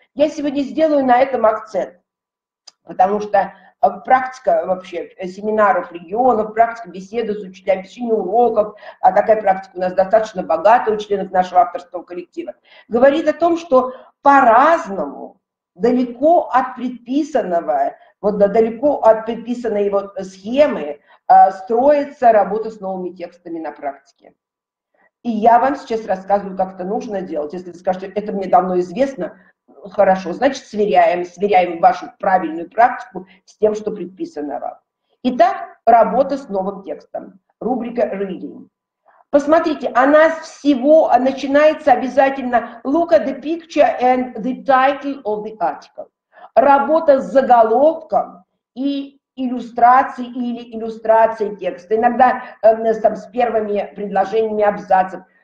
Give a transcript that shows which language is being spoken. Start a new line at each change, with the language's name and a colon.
Russian: Я сегодня сделаю на этом акцент, потому что практика вообще семинаров регионов, практика беседы с учителями, чтение уроков, а такая практика у нас достаточно богата у членов нашего авторского коллектива, говорит о том, что по-разному, далеко от предписанного, вот далеко от предписанной его схемы строится работа с новыми текстами на практике. И я вам сейчас рассказываю, как это нужно делать. Если вы скажете, это мне давно известно, хорошо, значит, сверяем вашу правильную практику с тем, что предписано вам. Итак, работа с новым текстом. Рубрика «Reading». Посмотрите, она с всего начинается обязательно
English: «Look at the picture and the title of the article».
Russian: Работа с заголовком и иллюстрацией или иллюстрацией текста, иногда там, с первыми предложениями абзацев.